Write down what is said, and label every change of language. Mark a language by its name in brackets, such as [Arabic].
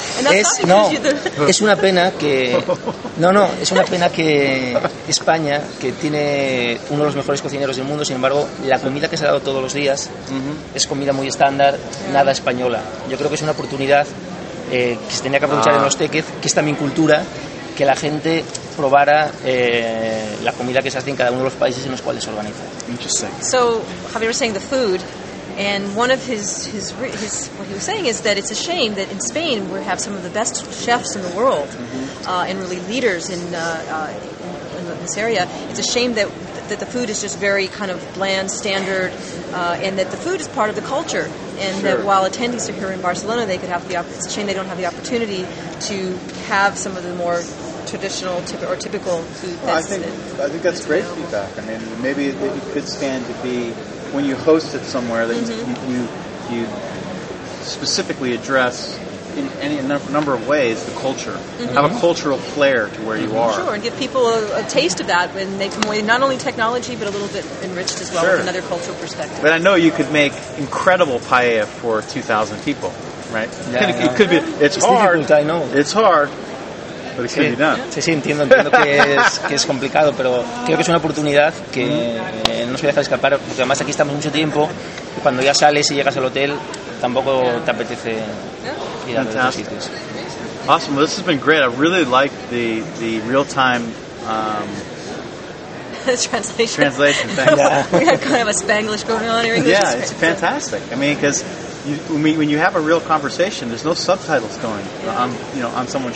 [Spanish] Es, no, es una pena que es una pena que España, que tiene uno de los mejores cocineros del mundo, sin embargo, la comida que se ha dado todos los días es comida muy estándar, nada española. Yo creo que es una oportunidad que se tenía que aprovechar en los teques, que es también cultura, que la gente probara la comida que se hace en cada uno de los países en los cuales se organiza. [English] So, Javier was saying the food. And one of his what he was saying is that it's a shame that in Spain we have some of the best chefs in the world, and really leaders in this area. It's a shame that the food is just very kind of bland, standard, and that the food is part of the culture. And sure. That while attendees are here in Barcelona, they could have the it's a shame they don't have the opportunity to have some of the more traditional or typical food. Well, I think that's great available. Feedback. I mean, maybe it could stand to be. When you host it somewhere, that you specifically address in any number of ways the culture, have a cultural flair to where you are. Sure, and give people a taste of that when they come away, not only technology, but a little bit enriched as well with another cultural perspective. But I know you could make incredible paella for 2,000 people, right? Yeah, it could be. It's hard. I know. It's hard. But it could be done. [Spanish] Sí, sí, entiendo que es complicado, pero creo que es una oportunidad que... No se deja escapar, porque además aquí estamos mucho tiempo y cuando ya sales y llegas al hotel tampoco te apetece ir a los otros sitios. [English] Awesome, well, this has been great. I really like the real-time translation. Thanks. Yeah. We have kind of a Spanglish going on here. Yeah, it's fantastic. I mean, because when you have a real conversation, there's no subtitles going on, on someone's